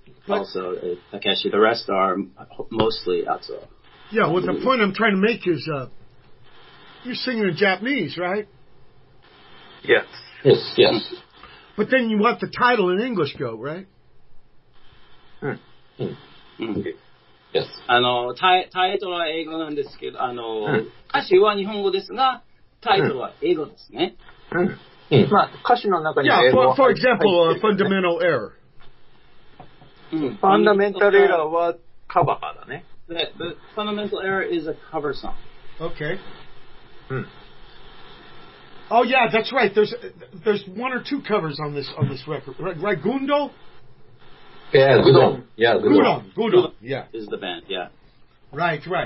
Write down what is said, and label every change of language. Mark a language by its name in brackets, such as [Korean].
[English] But also Takeshi, the rest are mostly Atsuo. Yeah, well, the point I'm trying to make is you're singing in Japanese, right? Yes. But then you want the title in English, go right? [Japanese] あの、タイトルは英語なんですけど、あの、歌詞は日本語ですが、タイトルは英語ですね。まあ、歌詞の中には英語。 [English] Yeah, for example, Fundamental Error. [Japanese] Fundamental Error はカバーだね。 [English] Fundamental Error is a cover song. Okay. Oh yeah, that's right. There's one or two covers on this record. Ragundo? Yeah, Gudon. Is the band, yeah. Right.